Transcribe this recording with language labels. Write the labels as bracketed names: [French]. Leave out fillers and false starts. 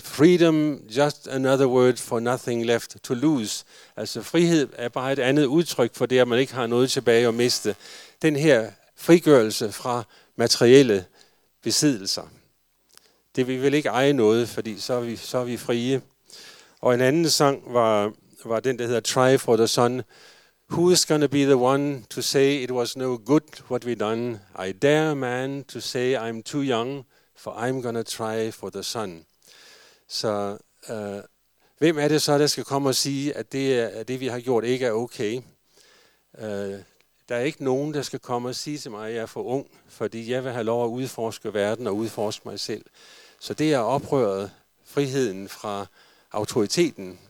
[English] Freedom, just another word for nothing left to lose. [Danish] Altså frihed er bare et andet udtryk for det, at man ikke har noget tilbage at miste. Den her frigørelse fra materielle besiddelser. Det vi vil ikke eje noget, fordi så er vi frie. Og en anden sang var den, der hedder Try for the Sun. [English] Who's gonna be the one to say it was no good what we done? I dare man to say I'm too young, for I'm gonna try for the sun. [Danish] Så hvem er det så, der skal komme og sige, at det vi har gjort ikke er okay? Der er ikke nogen, der skal komme og sige til mig, at jeg er for ung, fordi jeg vil have lov at udforske verden og udforske mig selv. Så det er oprøret friheden fra autoriteten.